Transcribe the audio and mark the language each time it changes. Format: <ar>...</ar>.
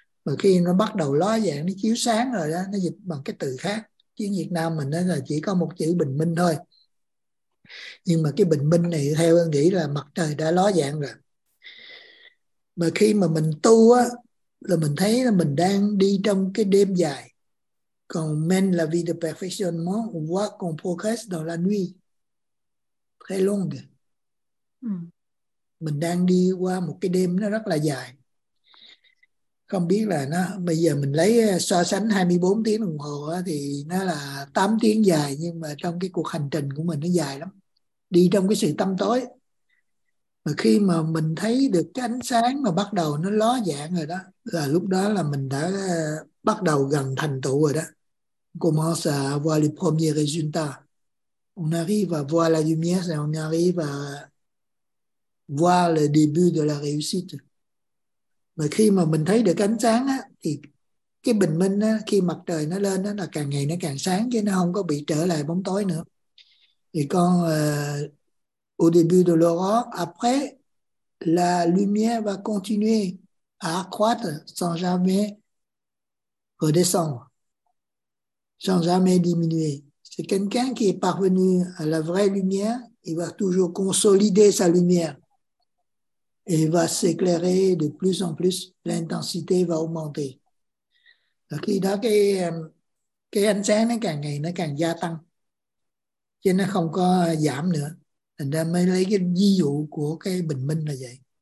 <vi>Mà khi nó bắt đầu ló dạng, nó chiếu sáng rồi đó, nó dịch bằng cái từ khác. Chứ Việt Nam mình nó là chỉ có một chữ bình minh thôi. Nhưng mà cái bình minh này theo anh nghĩ là mặt trời đã ló dạng rồi. Mà khi mà mình tu á, là mình thấy là mình đang đi trong cái đêm dài. Còn</vi> <fr>men la vie de perfectionnement, on voit qu'on progresse dans la nuit. Très longue.</fr> <vi>Mình đang đi qua một cái đêm nó rất là dài. Không biết là nó bây giờ mình lấy so sánh 24 tiếng đồng hồ á, thì nó là 8 tiếng dài, nhưng mà trong cái cuộc hành trình của mình nó dài lắm. Đi trong cái sự tăm tối. Mà khi mà mình thấy được cái ánh sáng mà bắt đầu nó ló dạng rồi đó, là lúc đó là mình đã bắt đầu gần thành tựu rồi đó.</vi> <fr>Commence à voir les premiers résultats. On arrive à voir la lumière, on arrive à voir le début de la réussite.</fr> <vi>Mà khi mà mình thấy được ánh sáng á, thì cái bình minh á, khi mặt trời nó lên á, là càng ngày nó càng sáng, chứ nó không có bị trở lại bóng tối nữa. Thì con</vi> <fr>au début de l'aurore, après la lumière va continuer à accroître sans jamais redescendre, sans jamais diminuer. C'est quelqu'un qui est parvenu à la vraie lumière, il va toujours consolider sa lumière et va s'éclairer de plus en plus, l'intensité va augmenter. Donc, il y a</fr> <vi>cái ánh sáng nó càng ngày nó càng gia tăng chứ nó không có giảm nữa. Thành ra mới lấy cái ví dụ của cái bình minh là vậy.</vi>